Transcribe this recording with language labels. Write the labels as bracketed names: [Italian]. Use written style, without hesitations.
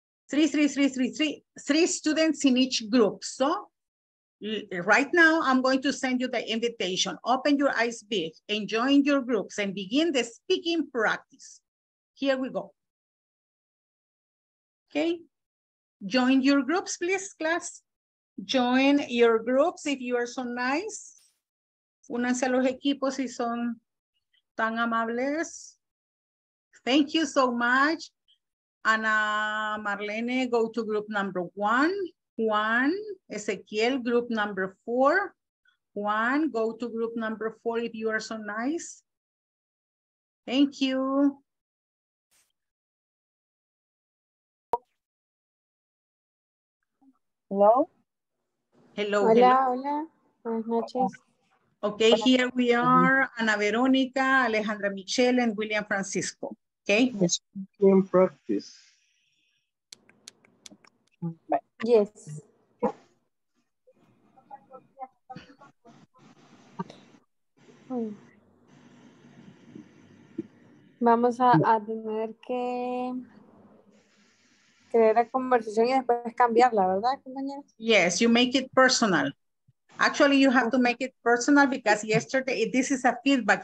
[English] 3 students in each group. So right now I'm going to send you the invitation. Open your eyes big and join your groups and begin the speaking practice. Here we go. Okay. Join your groups, please, class. Join your groups if you are so nice. [Spanish] Únanse a los equipos si son tan amables. [English] Thank you so much. Ana Marlene, go to group number 1. Juan Ezequiel, group number 4. Juan, go to group number 4 if you are so nice. Thank you. Hello. Hello. [Spanish] Hola. Buenas noches. [English] Okay, hola. Here we are, Ana Verónica, Alejandra Michelle, and William Francisco. Okay. Yes. In practice. Yes. [Spanish] Vamos a tener que crear la conversación y después cambiarla, ¿verdad, compañera? [English] Yes, you make it personal. Actually, you have to make it personal because yesterday, this is a feedback.